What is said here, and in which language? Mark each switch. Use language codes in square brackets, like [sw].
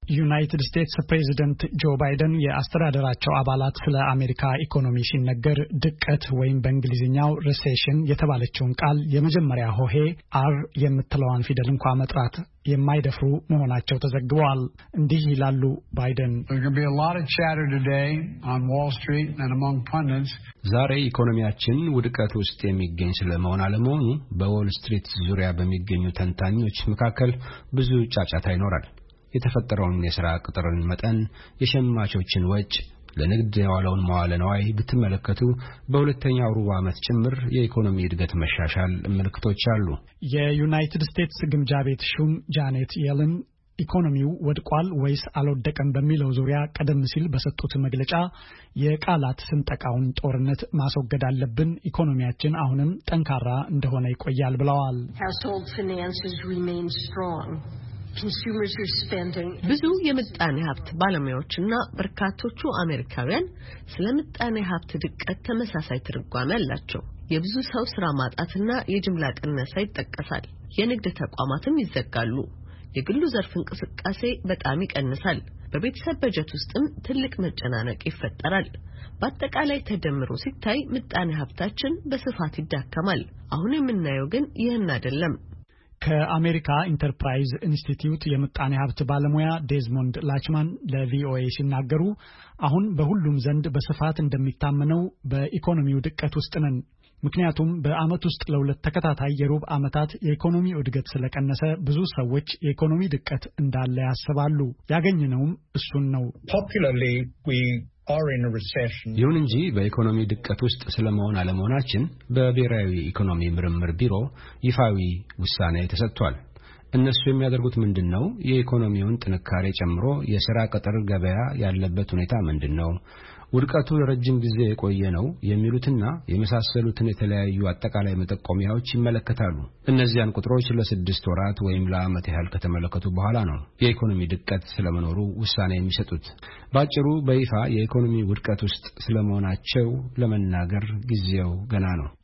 [am] ዩናይትድ ስቴትስ ፕሬዚደንት ጆ ባይደን የአስተዳደራቸው አባላት ስለ አሜሪካ ኢኮኖሚ ሲነገር ድቀት ወይም በእንግሊዝኛው ሪሴሽን የተባለችውን ቃል የመጀመሪያ ሆሄ አር የምትለዋን ፊደል እንኳ መጥራት የማይደፍሩ መሆናቸው ተዘግቧል። እንዲህ ይላሉ ባይደን። [en] There's going to be a lot of chatter today on Wall Street and among pundits. [am] ዛሬ ኢኮኖሚያችን ውድቀት ውስጥ የሚገኝ ስለመሆን አለመሆኑ በዎል ስትሪት ዙሪያ በሚገኙ ተንታኞች መካከል ብዙ ጫጫታ ይኖራል። የተፈጠረውን የሥራ ቅጥርን መጠን፣ የሸማቾችን ወጪ፣ ለንግድ የዋለውን መዋለ ንዋይ ብትመለከቱ በሁለተኛው ሩብ ዓመት ጭምር የኢኮኖሚ እድገት መሻሻል ምልክቶች አሉ። የዩናይትድ ስቴትስ ግምጃ ቤት ሹም ጃኔት የለን ኢኮኖሚው ወድቋል ወይስ አልወደቀም በሚለው ዙሪያ ቀደም ሲል በሰጡት መግለጫ የቃላት ስንጠቃውን ጦርነት ማስወገድ አለብን፣ ኢኮኖሚያችን አሁንም ጠንካራ እንደሆነ ይቆያል ብለዋል። [en] Household finances remain strong. consumers are spending. [am] ብዙ የምጣኔ ሀብት ባለሙያዎችና በርካቶቹ አሜሪካውያን ስለምጣኔ ሀብት ድቀት ተመሳሳይ ትርጓሜ አላቸው። የብዙ ሰው ስራ ማጣትና የጅምላ ቅነሳ ይጠቀሳል። የንግድ ተቋማትም ይዘጋሉ። የግሉ ዘርፍ እንቅስቃሴ በጣም ይቀንሳል። በቤተሰብ በጀት ውስጥም ትልቅ መጨናነቅ ይፈጠራል። በአጠቃላይ ተደምሮ ሲታይ ምጣኔ ሀብታችን በስፋት ይዳከማል። አሁን የምናየው ግን ይህን አይደለም። ከአሜሪካ ኢንተርፕራይዝ ኢንስቲትዩት የምጣኔ ሀብት ባለሙያ ዴዝሞንድ ላችማን ለቪኦኤ ሲናገሩ አሁን በሁሉም ዘንድ በስፋት እንደሚታመነው በኢኮኖሚው ድቀት ውስጥ ነን። ምክንያቱም በአመት ውስጥ ለሁለት ተከታታይ የሩብ አመታት የኢኮኖሚ እድገት ስለቀነሰ ብዙ ሰዎች የኢኮኖሚ ድቀት እንዳለ ያስባሉ። ያገኘነውም እሱን ነው። [en] Popularly we are in a recession. [am] ይሁን እንጂ በኢኮኖሚ ድቀት ውስጥ ስለመሆን አለመሆናችን በብሔራዊ ኢኮኖሚ ምርምር ቢሮ ይፋዊ ውሳኔ ተሰጥቷል። እነሱ የሚያደርጉት ምንድነው? የኢኮኖሚውን ጥንካሬ ጨምሮ የሥራ ቀጠር ገበያ ያለበት ሁኔታ ምንድነው? ውድቀቱ ረጅም ጊዜ የቆየ ነው የሚሉትና የመሳሰሉትን የተለያዩ አጠቃላይ መጠቆሚያዎች ይመለከታሉ። እነዚያን ቁጥሮች ለስድስት ወራት ወይም ለአመት ያህል ከተመለከቱ በኋላ ነው የኢኮኖሚ ድቀት ስለመኖሩ ውሳኔ የሚሰጡት። ባጭሩ በይፋ የኢኮኖሚ ውድቀት ውስጥ ስለመሆናቸው ለመናገር ጊዜው ገና ነው።